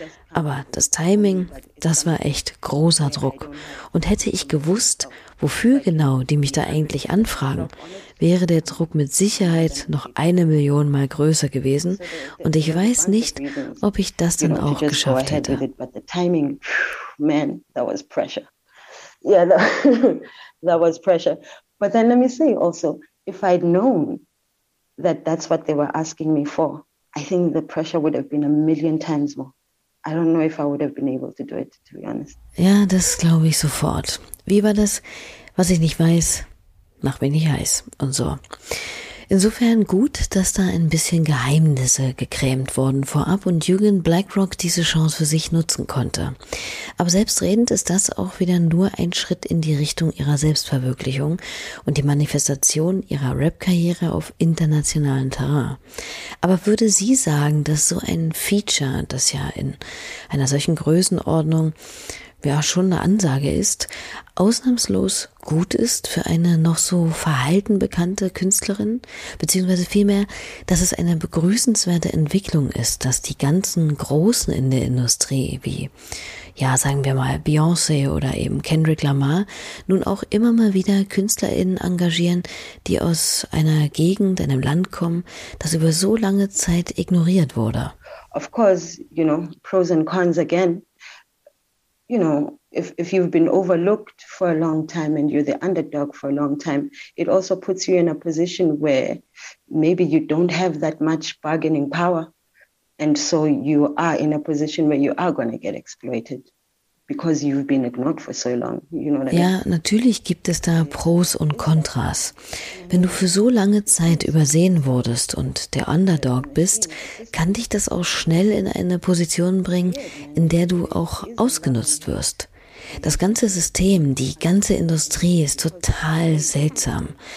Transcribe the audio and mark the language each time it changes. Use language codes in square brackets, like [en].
[de] Aber das Timing, das war echt großer Druck. Und hätte ich gewusst, Wofür genau, die mich da eigentlich anfragen, wäre der Druck mit Sicherheit noch 1 Million Mal größer gewesen. Und ich weiß nicht, ob ich das dann auch geschafft hätte. [en] But the timing, man, that was pressure. Yeah, that was pressure. But then let me say also, if I'd known that that's what they were asking me for, I think the pressure would have been 1 million times more. I don't know if I would have been able to do it, to be honest. [de] Ja, das glaube ich sofort. Wie war das? Was ich nicht weiß, macht mich nicht heiß und so. Insofern gut, dass da ein bisschen Geheimnisse gekrämt wurden vorab und Jürgen Blackrock diese Chance für sich nutzen konnte. Aber selbstredend ist das auch wieder nur ein Schritt in die Richtung ihrer Selbstverwirklichung und die Manifestation ihrer Rap-Karriere auf internationalem Terrain. Aber würde sie sagen, dass so ein Feature, das ja in einer solchen Größenordnung ja schon eine Ansage ist, ausnahmslos gut ist für eine noch so verhalten bekannte Künstlerin, beziehungsweise vielmehr, dass es eine begrüßenswerte Entwicklung ist, dass die ganzen Großen in der Industrie, wie, ja, sagen wir mal, Beyoncé oder eben Kendrick Lamar, nun auch immer mal wieder KünstlerInnen engagieren, die aus einer Gegend, einem Land kommen, das über so lange Zeit ignoriert wurde. [en] Of course, you know, pros and cons again. You know, if you've been overlooked for a long time and you're the underdog for a long time, it also puts you in a position where maybe you don't have that much bargaining power. And so you are in a position where you are going to get exploited because you've been ignored for so long. You know what I mean? [de] Ja, natürlich gibt es da Pros und Kontras. Wenn du für so lange Zeit übersehen wurdest und der Underdog bist, kann dich das auch schnell in eine Position bringen, in der du auch ausgenutzt wirst. Das ganze System, die ganze Industrie ist total seltsam.